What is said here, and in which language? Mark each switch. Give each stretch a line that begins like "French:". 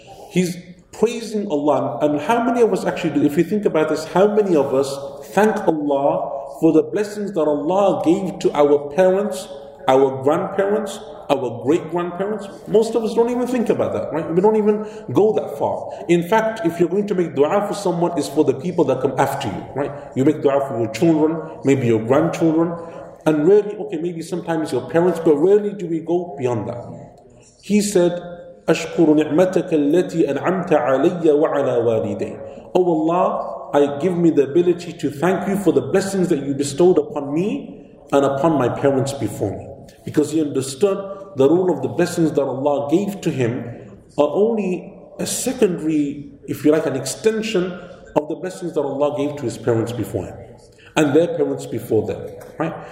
English: He's praising Allah. And how many of us actually do, if you think about this, how many of us thank Allah for the blessings that Allah gave to our parents, our grandparents, our great-grandparents? Most of us don't even think about that, right? We don't even go that far. In fact, if you're going to make dua for someone, it's for the people that come after you, right? You make dua for your children, maybe your grandchildren, and really, okay, maybe sometimes your parents, but rarely do we go beyond that.
Arabic: He said, أَشْكُرُ نِعْمَتَكَ الَّتِي أَنْعَمْتَ عَلَيَّ وَعَلَى وَالِدَيْهِ.
English: Oh Allah, I give me the ability to thank you for the blessings that you bestowed upon me and upon my parents before me. Because he understood the role of the blessings that Allah gave to him are only a secondary, if you like, an extension of the blessings that Allah gave to his parents before him and their parents before them, right?